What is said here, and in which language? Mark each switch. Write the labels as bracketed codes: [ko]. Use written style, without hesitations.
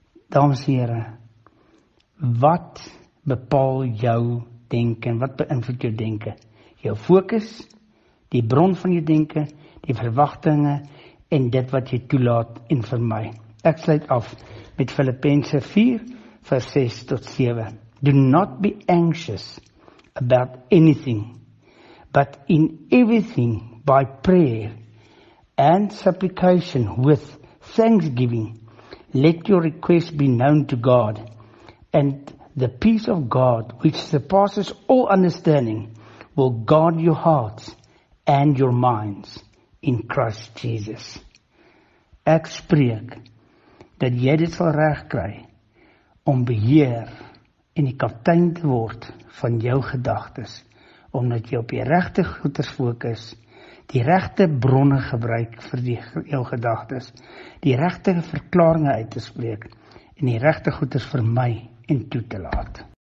[af] Dames en here, wat bepaal jou denke en wat beïnvloed jou denke? Jou fokus, die bron van jou denke, die verwagtinge en dit wat jy toelaat en vermy. Ek sluit af met Filippense 4 vers 6 tot 7. [en] Do not be anxious about anything, but in everything by prayer and supplication with thanksgiving, let your requests be known to God, and the peace of God, which surpasses all understanding, will guard your hearts and your minds in Christ Jesus. [af] Ek spreek dat jy dit sal reg kry om beheer en die kaptein te word van jou gedagtes, omdat jy op die regte goeders fokus, die regte bronne gebruik vir jou gedagtes, die regte verklaringe uit te spreek en die regte goeders vermy en toe te laat.